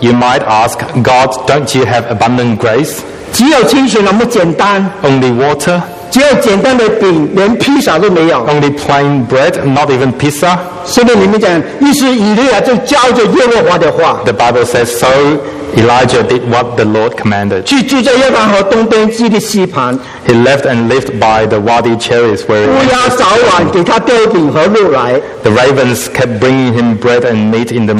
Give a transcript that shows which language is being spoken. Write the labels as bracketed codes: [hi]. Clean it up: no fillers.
[en] You might ask God, "Don't you have abundant grace?" [zh] 只有清水那么简单。 [en] Only water. [zh] 只有简单的饼，连披萨都没有。 [en] Only plain bread, not even pizza. [zh] 圣经里面讲，于是以利亚就照着耶和华的话。 [en] The Bible says so. Elijah did what the Lord commanded. [zh] 居住在约旦河东边基利西旁。 [en] He left and lived by the Wadi Cherith where. [zh] 乌鸦早晚给他掉饼和肉来。 [en] The ravens kept bringing him bread and meat in the morning.